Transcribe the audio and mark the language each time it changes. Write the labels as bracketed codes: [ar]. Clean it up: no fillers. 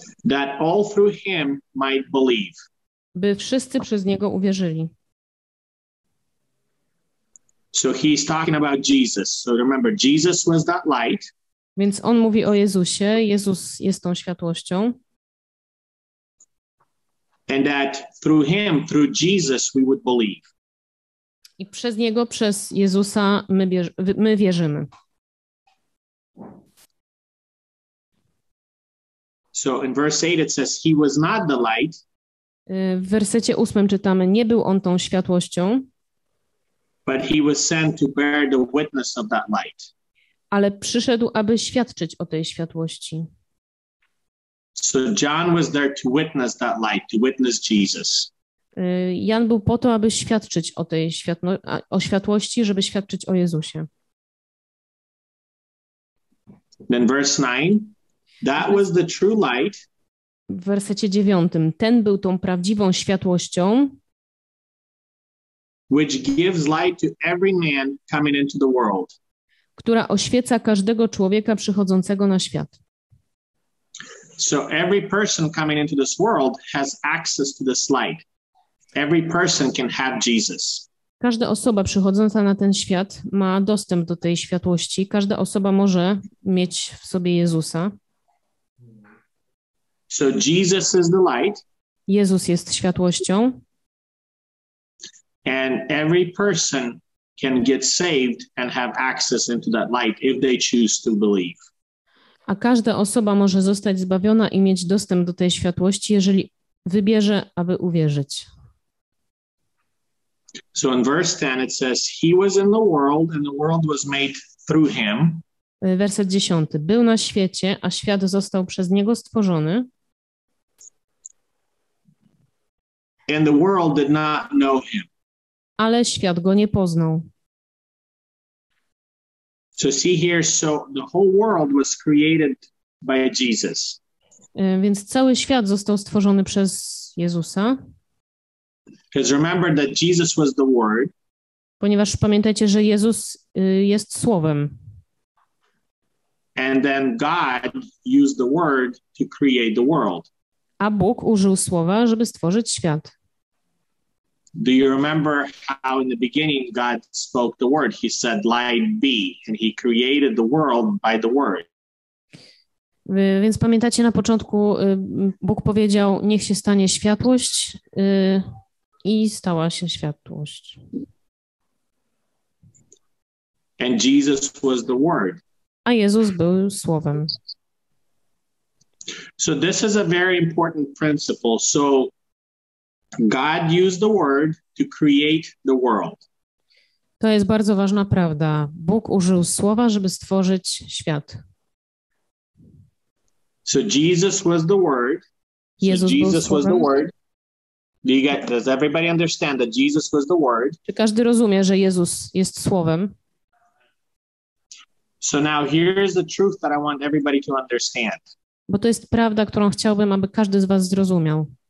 [en] That all through him might believe. [pl] By wszyscy przez niego uwierzyli. [en] So he's talking about Jesus. So remember, Jesus was that light. [pl] Więc on mówi o Jezusie. Jezus jest tą światłością. [en] And that through him, through Jesus, we would believe. [pl] I przez niego, przez Jezusa my wierzymy. [en] So in verse 8 it says he was not the light. [pl] W wersecie 8 czytamy, nie był on tą światłością. [en] But he was sent to bear the witness of that light. [pl] Ale przyszedł, aby świadczyć o tej światłości. [en] So John was there to witness that light, to witness Jesus. [pl] Jan był po to, aby świadczyć o tej światłości, żeby świadczyć o Jezusie. [en] Then verse 9, that was the true light. [pl] W wersecie 9, ten był tą prawdziwą światłością, [en] which gives light to every man coming into the world. [pl] Która oświeca każdego człowieka przychodzącego na świat. [en] So every person coming into this world has access to this light. Every person can have Jesus. [pl] Każda osoba przychodząca na ten świat ma dostęp do tej światłości. Każda osoba może mieć w sobie Jezusa. [en] So Jesus is the light. [pl] Jezus jest światłością. [en] And every person can get saved and have access into that light if they choose to believe. [pl] A każda osoba może zostać zbawiona i mieć dostęp do tej światłości, jeżeli wybierze, aby uwierzyć. [en] So in verse 10 it says he was in the world and the world was made through him. [pl] Werset 10. Był na świecie, a świat został przez niego stworzony. [en] And the world did not know him. [pl] Ale świat go nie poznał. [en] So see here, so the whole world was created by Jesus. [pl] Więc cały świat został stworzony przez Jezusa. [en] Because remember that Jesus was the Word. [pl] Ponieważ pamiętajcie, że Jezus jest Słowem. [en] And then God used the Word to create the world. [pl] A Bóg użył Słowa, żeby stworzyć świat. [en] Do you remember how in the beginning God spoke the Word? He said, light be, and he created the world by the Word. [pl] Więc pamiętacie, na początku Bóg powiedział, niech się stanie światłość, i stała się światłość. [en] And Jesus was the Word. [pl] A Jezus był Słowem. [en] So this is a very important principle. So God used the Word to create the world. [pl] To jest bardzo ważna prawda. Bóg użył Słowa, żeby stworzyć świat. [en] So Jesus was the Word. [pl] Jezus [en] Jesus was the Word. Does everybody understand that Jesus was the Word? [pl] Czy każdy rozumie, że Jezus jest Słowem? [en] So now here is the truth that I want everybody to understand. [pl] Bo to jest prawda, którą chciałbym, aby każdy z was zrozumiał.